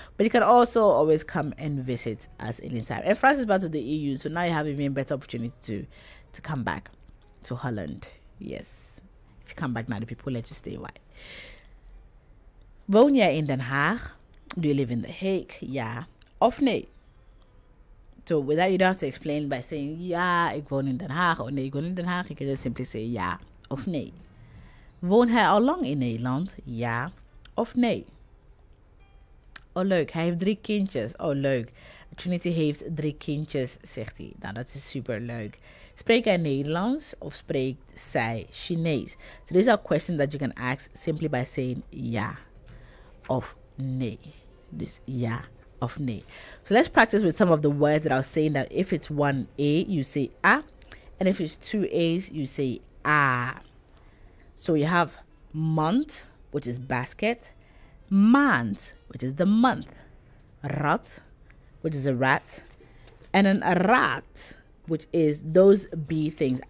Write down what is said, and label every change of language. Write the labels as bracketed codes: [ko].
[en] But you can also always come and visit us anytime. And France is part of the EU, so now you have even better opportunity to come back to Holland. Yes. If you come back now, the people will let you stay. [nl] Why? Woon jij in Den Haag? [en] Do you live in The Hague? [nl] Ja. Of nee? [en] So with that, you don't have to explain by saying, [nl] ja, ik woon in Den Haag. Or nee, ik woon in Den Haag. [en] You can just simply say, [nl] ja of nee. Woont hij al lang in Nederland? Ja of nee? Oh, leuk. Hij heeft drie kindjes. Oh, leuk. Trinity heeft drie kindjes, zegt hij. Nou, dat is super leuk. Spreekt hij Nederlands of spreekt zij Chinees? [en] So these are questions that you can ask simply by saying, [nl] ja of nee. Dus ja. Of nee. [en] So let's practice with some of the words that I was saying, that if it's one A, you say A, and if it's two A's, you say A. So you have month, which is basket, maand, which is the month, rat, which is a rat, and an rat, which is those B things.